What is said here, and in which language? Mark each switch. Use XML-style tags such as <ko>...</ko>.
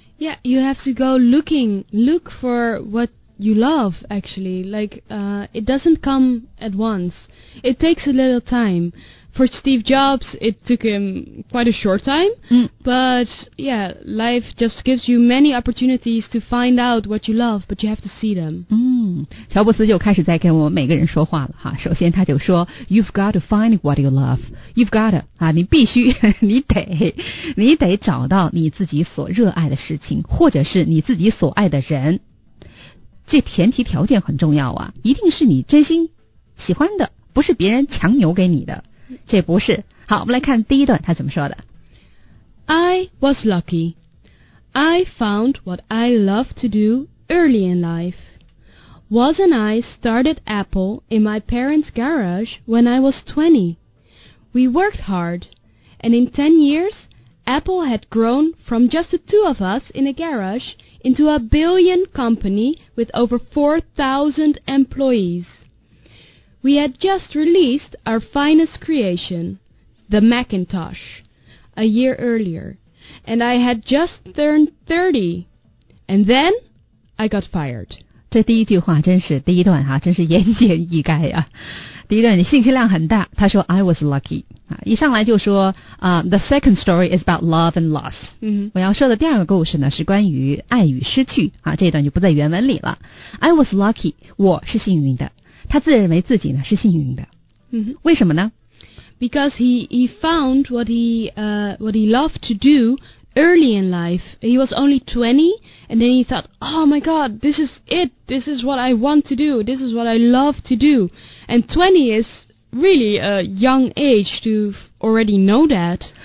<en>Yeah, you have to go looking, look for what you love, actually. Like, it doesn't come at once. It takes a little time. For Steve Jobs, it took him quite a short time. But, yeah, life just gives you many opportunities to find out what you love, but you have to see them.</en> <zh>乔布斯就开始在跟我们每个人说话了哈。首先他就说</zh> <en>You've got to find what you love. You've got to,</en> <zh>啊，你必须你得找到你自己所热爱的事情或者是你自己所爱的人。这前提条件很重要啊，一定是你真心喜欢的，不是别人强扭给你的，这不是。好，我们来看第一段他怎么说的。</zh> <en>I was lucky. I found what I love to do early in life. Wasn't I started Apple in my parents' garage when I was 20? We worked hard, and in 10 years, Apple had grown from just the two of us in a garage into a billion company with over 4,000 employees. We had just released our finest creation, the Macintosh, a year earlier, and I had just turned 30, and then I got fired.</en> <zh>这第一句话真是第一段哈，真是言简意赅啊。第一段你信息量很大，他说</zh> <en>I was lucky</en> <zh>啊，一上来就说</zh> <en>The second story is about love and loss。</en> <zh>我要说的第二个故事呢是关于爱与失去啊，这一段就不在原文里了。</zh> <en>I was lucky，</en> <zh>我是幸运的。他自认为自己呢是幸运的。为什么呢？</zh> <en>Because he found what he loved to do early in life. He was only 20 and then he thought, oh my god, this is it, this is what I want to do, this is what I love to do. And 20 is really a young age to already know that.</en>